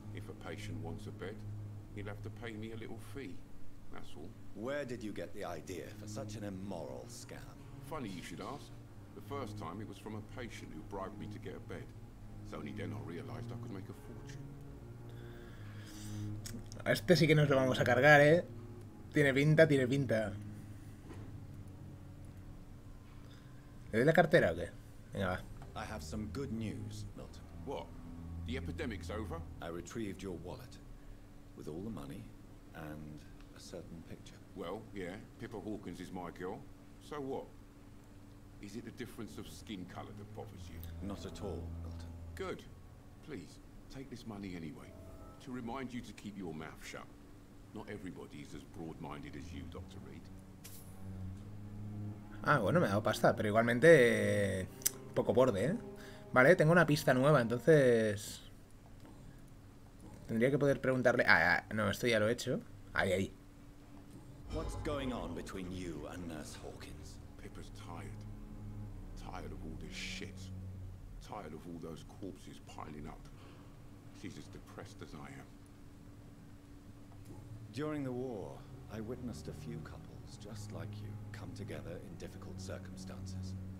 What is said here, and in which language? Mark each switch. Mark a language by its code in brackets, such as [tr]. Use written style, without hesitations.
[en] If a patient wants a bed, he'll have to pay me a little fee. That's all. Where did you get the idea for such an immoral scam? Funny you should ask. The first time it was from a patient who bribed me to get a bed. It's only then I realized I could make a fortune. [es] A este sí que nos lo vamos a cargar, ¿eh? Tiene pinta. ¿Le doy la cartera o qué? Venga, va. [en] I have some good news, Milton. What? The epidemic's over? I retrieved your wallet. With all the money and a certain picture. Well, yeah. Pippa Hawkins is my girl. So what? Is it the difference of skin color that bothers you? Not at all, Milton. Good. Please, take this money anyway. To remind you to keep your mouth shut. Not everybody is as broad-minded as you, Dr. Reed. [es] Ah, bueno, me ha dado pasta, pero igualmente... poco borde, ¿eh? Vale, tengo una pista nueva, entonces... tendría que poder preguntarle... Ah, no, esto ya lo he hecho. Ahí. [en] What's going on between you and Nurse Hawkins? Pippa's tired. Tired of all this shit. Tired of all those corpses piling up. She's as depressed as I am. During the war, I witnessed a few couples just like you come together in difficult circumstances.